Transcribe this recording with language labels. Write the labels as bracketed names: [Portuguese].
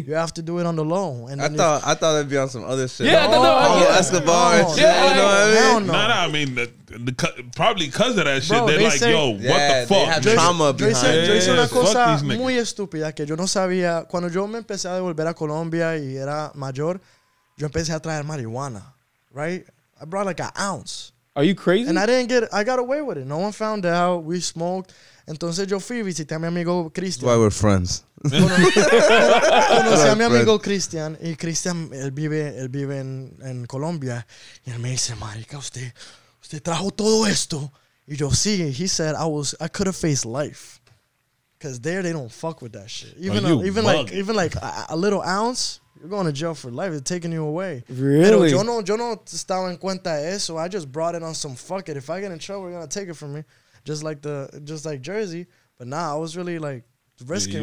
[English] You have to do it on the low. And I thought it'd be on some other shit. Yeah, no, Escobar. No, shit, yeah, you know what I mean? I mean, probably because of that shit, bro, they're like, yo, what the fuck? They have trauma behind it. [Spanish] Yo hice una cosa muy estúpida que yo no sabía. Cuando yo me empecé a devolver a Colombia y era mayor, yo empecé a traer marihuana, right? [English] I brought like an ounce. Are you crazy? And I got away with it. No one found out. We smoked. [Spanish] Entonces yo fui y visité a mi amigo Cristian. [English] Why we're friends. [Spanish] Conocí a mi amigo Cristian y Cristian, él vive en Colombia. Y él me dice, marica, usted trajo todo esto. Y yo, sí. [English] He said, I could have faced life. Because there, they don't fuck with that shit. Even like a little ounce, you're going to jail for life. They're taking you away. Really? [Spanish] Pero yo no estaba en cuenta eso. [English] I just brought it on some fuck it. If I get in trouble, you're going to take it from me. Just like Jersey, but nah, I was really like risking